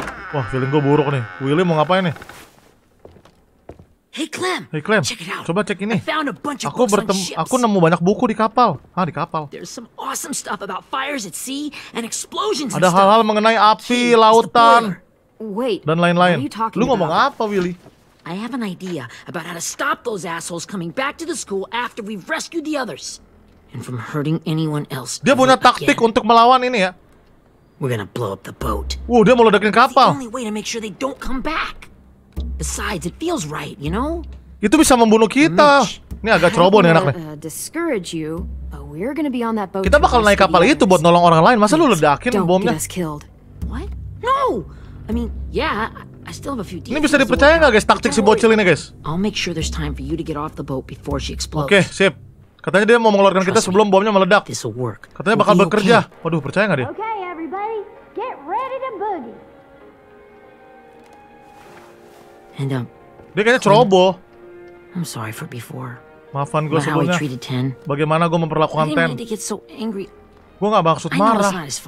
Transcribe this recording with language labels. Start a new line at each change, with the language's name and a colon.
Indonesian: Wah, feeling gue buruk nih. Willy mau ngapain nih?
English: Hey Clem. Hey Clem.
Indonesian: Coba cek ini. Aku nemu banyak buku di kapal. Ah, di kapal.
English: There's some awesome stuff about fires at sea and explosions.
Indonesian: Ada hal-hal mengenai api, lautan.
English: Wait.
Indonesian: Dan lain-lain. Lu ngomong apa, Willy?
English: I have an idea about how to stop those assholes coming back to the school after we've rescued the others and from hurting anyone else.
Indonesian: Dia punya taktik untuk melawan ini ya.
English: We're gonna blow up the boat.
Indonesian: Wow, dia meledakin kapal.
English: The only way to make sure they don't come back. Besides, it feels right, you know?
Indonesian: Itu bisa membunuh kita. Ini agak ceroboh nih anaknya.
English: Discourage you, but we're gonna be on that boat.
Indonesian: Kita bakal naik kapal itu buat nolong orang lain. Masa lu ledakin bomnya?
English: Don't get us killed. What? No. I mean, yeah, I still have a few details.
Indonesian: Ini bisa dipercaya nggak, guys? Taktik si bocil ini, guys.
English: I'll make sure there's time for you to get off the boat before she explodes.
Indonesian: Oke, okay, sip. Katanya dia mau mengeluarkan kita sebelum bomnya meledak.
English: This will work.
Indonesian: Katanya bakal bekerja. Waduh, percaya nggak dia?
English: Okay, everybody, get ready to boogie. And
Indonesian: dia kayaknya ceroboh.
English: I'm sorry for before.
Indonesian: Maafan gue sebelumnya. Bagaimana gue memperlakukan Ten? Gue nggak maksud marah.